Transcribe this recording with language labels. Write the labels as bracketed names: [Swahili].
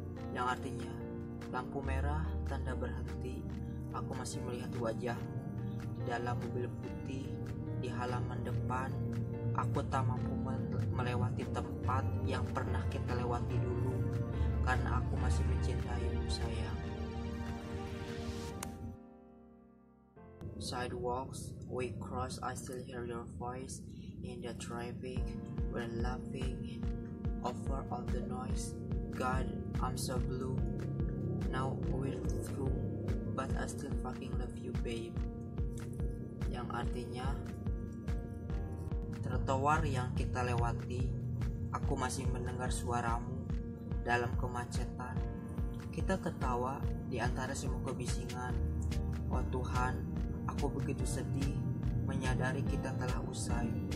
[Indonesian] Yang artinya, lampu merah, tanda berhenti, aku masih melihat wajahmu di dalam mobil putih. Di halaman depan, aku tak mampu melewati tempat yang pernah kita lewati dulu, karena aku masih mencintaimu sayang. [English] Sidewalks, we cross, I still hear your voice in the traffic, we're laughing over all the noise. God, I'm so blue, now we're through, but I still fucking love you babe. [Indonesian] Yang artinya, trotoar yang kita lewati, aku masih mendengar suaramu dalam kemacetan. Kita tertawa di antara semua kebisingan. Oh Tuhan, aku begitu sedih menyadari kita telah usai.